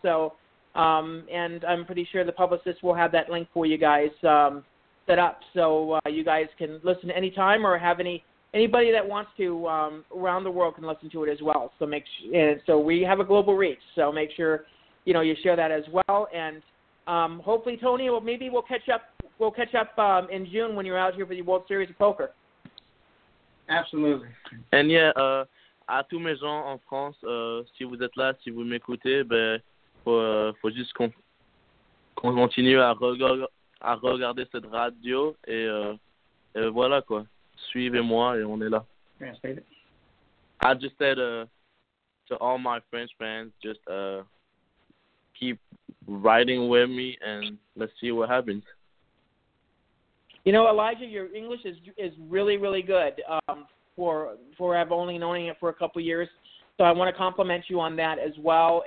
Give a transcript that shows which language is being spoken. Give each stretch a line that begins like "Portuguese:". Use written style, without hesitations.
English: So, and I'm pretty sure the publicist will have that link for you guys set up, so you guys can listen anytime, or have anybody that wants to around the world can listen to it as well. So so we have a global reach. So make sure, you know, you share that as well. And hopefully, Tony, we'll catch up in June when you're out here for the World Series of Poker. Absolutely.
French: And yeah, à tous mes gens en France, si vous êtes là, si vous m'écoutez, ben faut juste qu'on continue à regarder cette radio et voilà quoi. Suivez-moi et on est là.
English: Translate it. I just said to all my French fans, just keep riding with me and let's see what happens. You know, Elijah, your English is really, really good. For I've only known it for a couple years, so I want to compliment you on that as well.